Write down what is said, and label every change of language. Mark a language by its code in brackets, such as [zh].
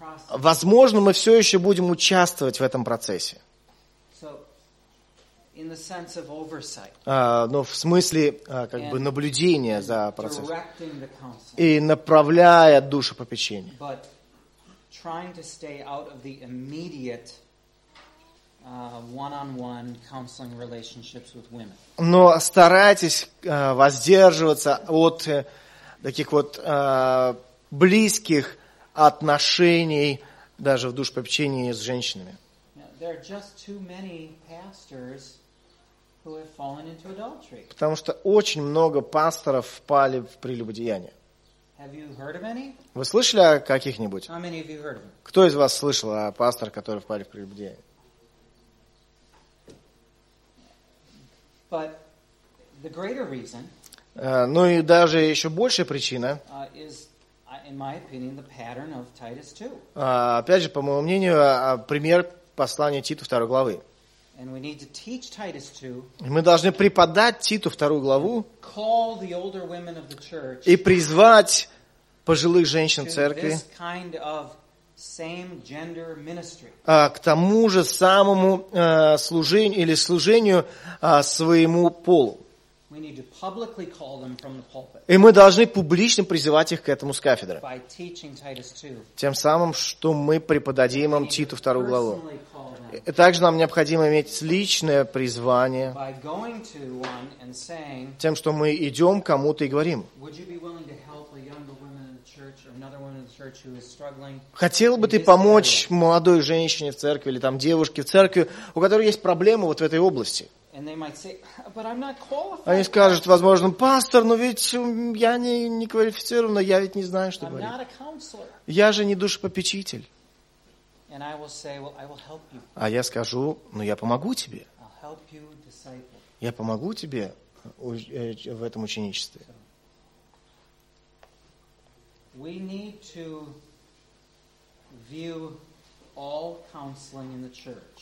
[ru] Возможно, мы все еще будем участвовать в этом процессе. [en] So, in the sense of oversight. [ru] Но в смысле как бы наблюдения за процессом и направляя душу по попечению. [en] But trying to stay out of the immediate one-on-one counseling relationships with women. [ru] Но старайтесь воздерживаться от таких вот близких отношений даже в душепопечении с женщинами. [en] There are just too many pastors who have fallen into adultery. [ru] Потому что очень много пасторов впали в прелюбодеяние. [en] Have you heard of any? [ru] Вы слышали о каких-нибудь? [en] How many have you heard of? [ru] Кто из вас слышал о пасторах, которые впали в прелюбодеяние? [en] But the greater reason. [ru] Ну и даже еще большая причина. [en] In my opinion, the pattern of Titus 2. [ru] Опять же, по моему мнению, пример послания Титу 2 главы. [en] And we need to teach Titus 2. [ru] Мы должны преподать Титу 2 главу. [en] Call the older women of the church. [ru] И призвать пожилых женщин церкви. [en] This kind of same gender ministry. [ru] К тому же самому служению или служению своему полу. [en] We need to publicly call them from the pulpit. [ru] И мы должны публично призывать их к этому с кафедры. [en] By teaching Titus 2. [ru] Тем самым, что мы преподадим им Титу 2 главу. И также нам необходимо иметь личное призвание. [en] By going to one and saying, [ru] тем, что мы идем к кому-то и говорим. [en] Would you be willing to help a younger woman in the church or another woman in the church who is struggling? [ru] Хотел бы ты помочь молодой женщине в церкви или там девушке в церкви, у которой есть проблемы вот в этой области? [en] And they might say, but I'm not qualified. [ru] Они скажут, возможно, пастор, но ведь я не квалифицирован, я ведь не знаю, что говорить. [en] I'm not a counselor. [ru] Я же не душепопечитель. [en] And I will say, well, I will help you. [ru] А я скажу, ну я помогу тебе. [en] I'll help you disciple. [ru] Я помогу тебе в этом ученичестве. [en] We need to view all counseling in the church.